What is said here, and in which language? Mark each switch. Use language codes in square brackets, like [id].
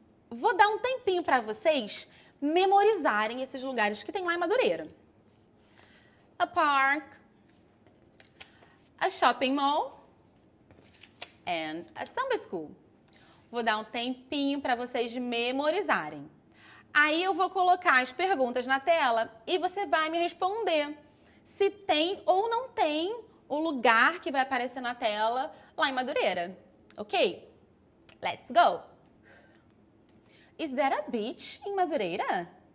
[pt] Vou dar um tempinho para vocês memorizarem esses lugares que tem lá em Madureira. [en] A park, a shopping mall, and a samba school. [pt] Vou dar um tempinho para vocês memorizarem. Aí eu vou colocar as perguntas na tela e você vai me responder se tem ou não tem o lugar que vai aparecer na tela lá em Madureira. [en] Ok? Let's go! Is there a beach in Madureira?